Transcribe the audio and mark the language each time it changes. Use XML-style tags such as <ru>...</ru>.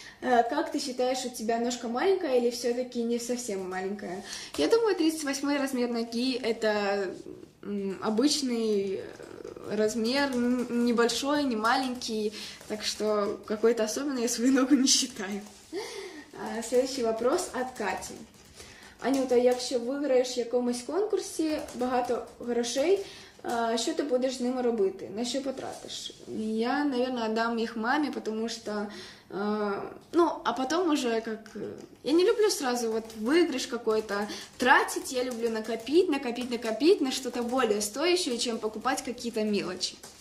<ru>«Как ты считаешь, у тебя ножка маленькая или все-таки не совсем маленькая?» Я думаю, 38 размер ноги — это обычный размер, небольшой, не маленький, так что какой-то особенный я свою ногу не считаю. Следующий вопрос от Кати.</ru> <uk>«Анюта, якщо выиграешь в якомусь конкурсе багато грошей, що ти будеш з ними робити? На що потратиш?»</uk> <ru>Я, наверное, отдам их маме, потому что... ну, а потом уже как... Я не люблю сразу вот выигрыш какой-то тратить. Я люблю накопить на что-то более стоящее, чем покупать какие-то мелочи.</ru>